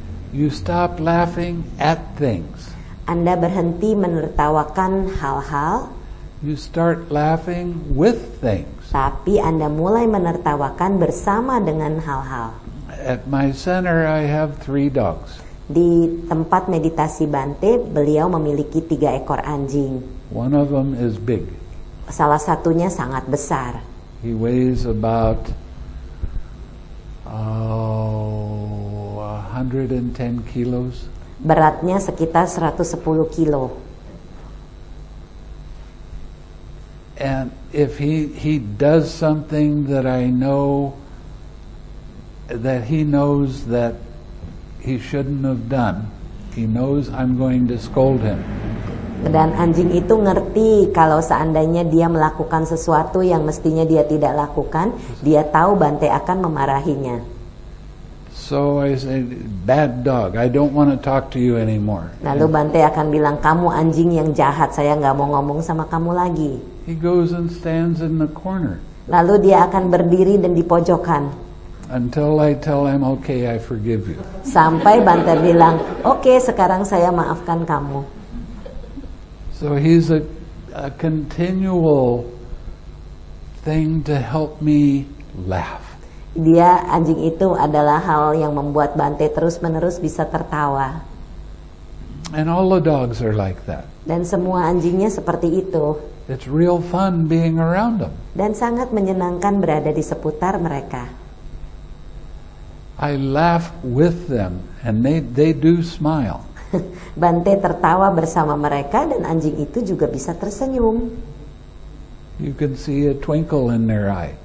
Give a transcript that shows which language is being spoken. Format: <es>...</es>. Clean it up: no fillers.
<en>You stop laughing at things.</en> <id>Anda berhenti menertawakan hal-hal.</id> <en>You start laughing with things.</en> <id>Tapi Anda mulai menertawakan bersama dengan hal-hal.</id> <en>At my center, I have 3 dogs.</en> <id>Di tempat meditasi Bante, beliau memiliki 3 ekor anjing.</id> <en>One of them is big.</en> <id>Salah satunya sangat besar.</id> <en>He weighs about 110 kilos.</en> <id>Beratnya sekitar 110 kilo.</id> <en>And if he does something that I know that he knows that he shouldn't have done, he knows I'm going to scold him.</en> <id>Dan anjing itu ngerti kalau seandainya dia melakukan sesuatu yang mestinya dia tidak lakukan, dia tahu Bante akan memarahinya.</id> <en>So I say, "Bad dog, I don't want to talk to you anymore."</en> <id>Lalu Bante akan bilang, "Kamu anjing yang jahat, saya enggak mau ngomong sama kamu lagi."</id> <en>He goes and stands in the corner.</en> <id>Lalu dia akan berdiri dan di pojokan.</id> <en>Until I tell him, "Okay, I forgive you."</en> <id>Sampai Bante bilang, "Okay, sekarang saya maafkan kamu."</id> <en>So he's a continual thing to help me laugh.</en> <id>Dia, anjing itu adalah hal yang membuat Bante terus-menerus bisa tertawa.</id> <en>And all the dogs are like that.</en> <id>Dan semua anjingnya seperti itu.</id> <en>It's real fun being around them.</en> <id>Dan sangat menyenangkan berada di seputar mereka.</id> <en>I laugh with them and they do smile.</en> <id>Bante tertawa bersama mereka dan anjing itu juga bisa tersenyum.</id> <en>You can see a twinkle in their eye.</en>